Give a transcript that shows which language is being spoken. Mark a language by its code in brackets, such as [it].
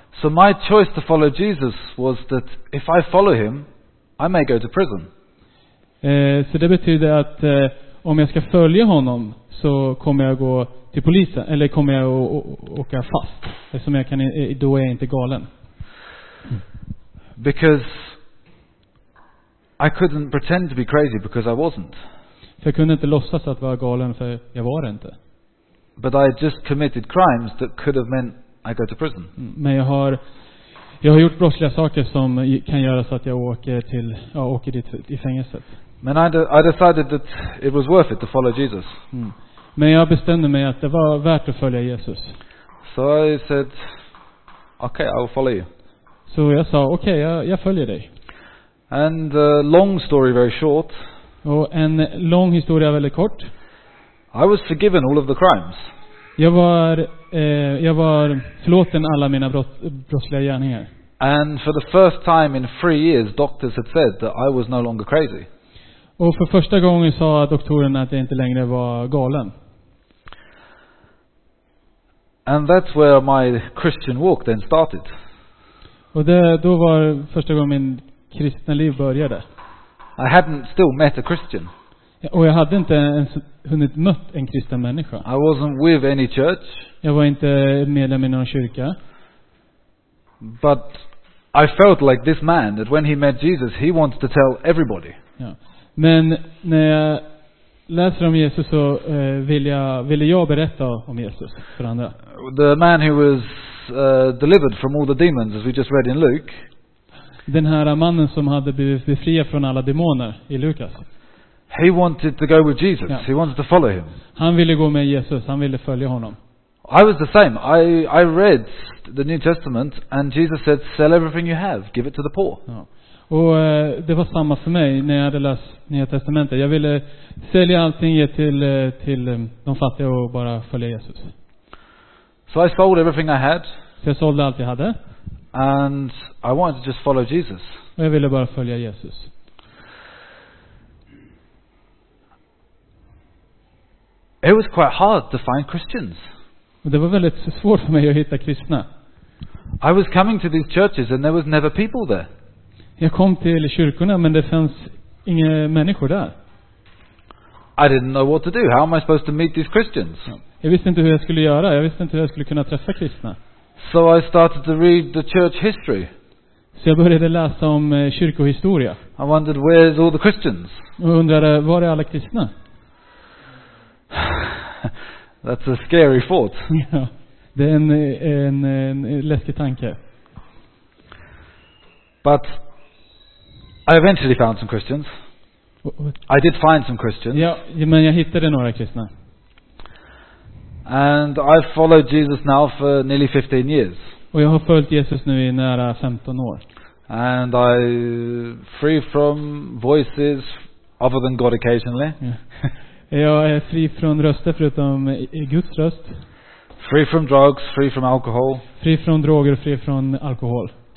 [en] So my choice to follow Jesus was that if I follow him, I may go to prison. [sv] Så det betyder att om jag ska följa honom, så kommer jag gå till polisen eller kommer jag åka fast, eftersom jag kan, då är jag inte galen. [en] Because I couldn't pretend to be crazy because I wasn't. [sv] För jag kunde inte låtsas att vara galen, för jag var inte. [en] But I just committed crimes that could have meant I go to prison. [sv] Men jag har gjort brottsliga saker som kan göra så att jag åker dit i fängelset. [en] Men I decided that it was worth it to follow Jesus. [sv] Men jag bestämde mig att det var värt att följa Jesus. [en] So I said, okay, I will follow you. [sv] Så jag sa, okej, jag följer dig. [en] And long story very short. [sv] Och en lång historia väldigt kort. [en] I was forgiven all of the crimes. [sv] Jag var förlåten alla mina brottsliga gärningar. [en] And for the first time in 3 years, doctors had said that I was no longer crazy. [sv] Och för första gången sa doktorerna att jag inte längre var galen. [en] And that's where my Christian walk then started. [sv] Och då var första gången min kristna liv började. [en] I hadn't still met a Christian. [sv] Och jag hade inte ens hunnit mött en kristen människa. [en] I wasn't with any church. [sv] Jag var inte medlem i någon kyrka. [en] But I felt like this man that when he met Jesus, he wants to tell everybody. [sv] Ja. Men när jag läser om Jesus så ville jag berätta om Jesus för andra. [en] The man who was delivered from all the demons, as we just read in Luke. [sv] Den här mannen som hade blivit befriad från alla demoner i Lukas. [en] He wanted to go with Jesus. Ja. He wanted to follow him. [sv] Han ville gå med Jesus. Han ville följa honom. [en] I was the same. I read the New Testament and Jesus said, "Sell everything you have, give it to the poor." [sv] Ja. Och det var samma för mig när jag hade läst Nya Testamentet. Jag ville sälja allting, ge till de fattiga och bara följa Jesus. [en] So I sold everything I had. [sv] Så jag sålde allt jag hade. [en] And I wanted to just follow Jesus. [sv] Och jag ville bara följa Jesus. [en] It was quite hard to find Christians. [sv] Och det var väldigt svårt för mig att hitta kristna. [en] I was coming to these churches and there was never people there. [sv] Jag kom till kyrkorna men det fanns inga människor där. [en] I didn't know what to do. How am I supposed to meet these Christians? [sv] Jag visste inte hur jag skulle göra. Jag visste inte hur jag skulle kunna träffa kristna. [en] So I started to read the church history. [sv] Så jag började läsa om kyrkohistoria. [en] I wondered where is all the Christians? [sv] Jag undrade, var är alla kristna? [en] That's a scary thought. [sv] Ja, det är en läskig tanke. [en] But I eventually found some Christians. I did find some Christians. [sv] Ja, men jag hittade några kristna. [en] And I've followed Jesus now for nearly 15 years. [sv] Och jag har följt Jesus nu i nära 15 år. [en] And I free from voices other than God occasionally. [sv] Jag är fri från röster förutom Guds röst. [en] Free from drugs, free from alcohol. [sv] Fri från droger, fri från alkohol.